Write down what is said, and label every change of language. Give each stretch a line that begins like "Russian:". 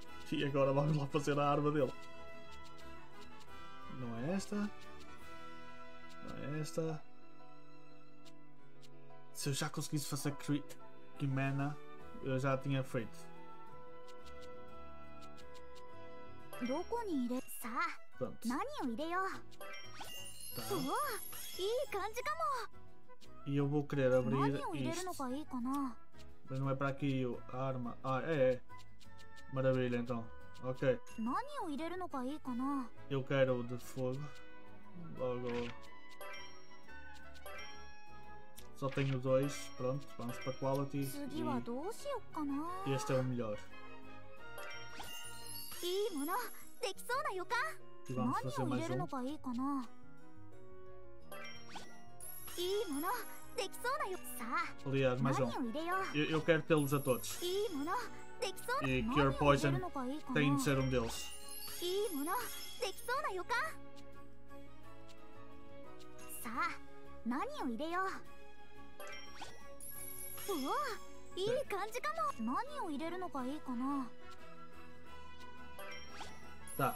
Portuguese: E agora vamos lá fazer a arma dele. Não é esta? Não é esta? Se eu já conseguisse fazer Kimana, eu já tinha feito.
Japanese: どこに入れ、さあ、何を入れよう。おお、いい感じかも。
Portuguese: E eu vou querer abrir isto.
Japanese: 何を入れるのがいいかな。
Portuguese: Mas não é para aqui a arma. Ah, é, é. Maravilha, então. Ok.
Japanese: 何を入れるのがいいかな。
Portuguese: Eu quero o de fogo. Logo. Só tenho dois. Pronto, vamos para quality.
Japanese: 次はどうしようかな。
Portuguese: Este é o melhor.
Japanese: いいものできそうな予感。何を入れるのがいいかな。いいものできそうな予感。さあ、
Portuguese: Aliás,
Japanese: 何を入れよう。
Portuguese: Eu quero tê-los a todos.
Japanese: いいものできそうな。
Portuguese: E cure poison tem de ser um deles.
Japanese: いいものできそうな予感。さあ、何を入れよう。おお、いい感じかも。何を入れるのがいいかな。
Portuguese: Tá.